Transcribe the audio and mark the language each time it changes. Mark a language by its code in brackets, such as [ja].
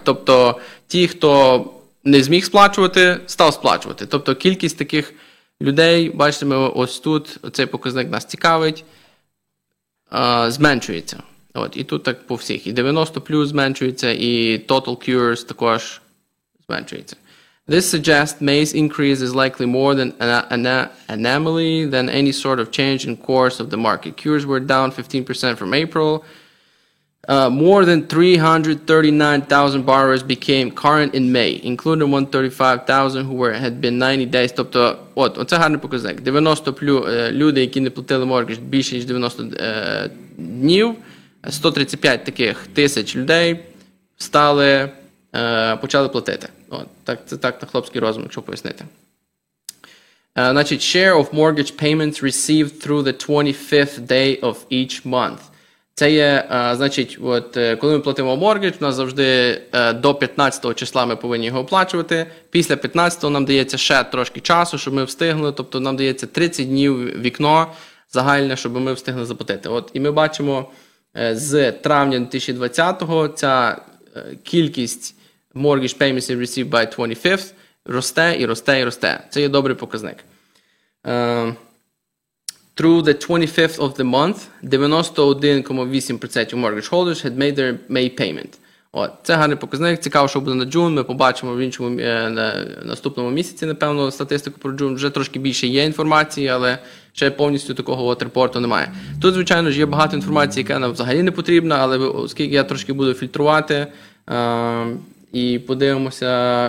[uk] Тобто, ті, хто не зміг сплачувати, став сплачувати. Тобто, кількість таких… людей, бачите, ми ось тут, оцей показник нас цікавить, зменшується. От, і тут так по всіх. І 90 плюс зменшується, і total cures також зменшується. [en] This suggests May's increase is likely more than an anomaly than any sort of change in course of the market. Cures were down 15% from April. More than 339,000 borrowers became current in May, including 135,000 who were had been 90 days. [uk] Тобто, от, оце гарний показник. 90 плюс люди, які не платили моргідж більше ніж 90 днів, 135 таких тисяч людей стали, почали платити. От, так, це так на хлопський розум, якщо пояснити. Значить, [en] share of mortgage payments received through the 25th day of each month. [uk] Це є, значить, от, коли ми платимо моргідж, у нас завжди до 15-го числа ми повинні його оплачувати. Після 15-го нам дається ще трошки часу, щоб ми встигли. Тобто нам дається 30 днів вікно загальне, щоб ми встигли заплатити. От, і ми бачимо, з травня 2020-го ця кількість [en] mortgage payments received by 25th [uk] росте і росте і росте. Це є добрий показник. [en] Through the 25th of the month, 91.8% mortgage holders had made their May payment. [uk] От, це гарний показник. Цікаво, що буде на джун. Ми побачимо в іншому на наступному місяці, напевно, статистику про джун. Вже трошки більше є інформації, але ще повністю такого от репорту немає. Тут, звичайно ж, є багато інформації, яка нам взагалі не потрібна, але оскільки я трошки буду фільтрувати і подивимося.